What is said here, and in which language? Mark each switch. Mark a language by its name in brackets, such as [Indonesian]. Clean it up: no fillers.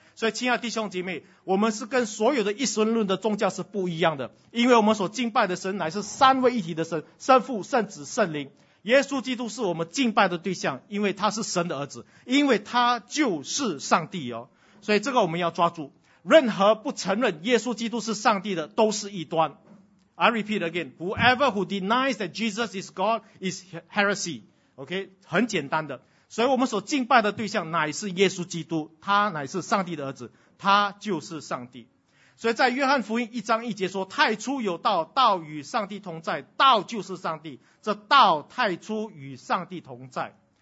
[Chinese] 所以亲爱的弟兄姐妹，我们是跟所有的一神论的宗教是不一样的，因为我们所敬拜的神乃是三位一体的神，圣父、圣子、圣灵。耶稣基督是我们敬拜的对象，因为他是神的儿子，因为他就是上帝哦。所以这个我们要抓住，任何不承认耶稣基督是上帝的都是异端。 [English] I repeat again, whoever who denies that Jesus is God is heresy. [Chinese] OK, 很简单的。所以我们所敬拜的对象乃是耶稣基督，他乃是上帝的儿子，他就是上帝。所以在约翰福音一章一节说，太初有道，道与上帝同在，道就是上帝，这道太初与上帝同在。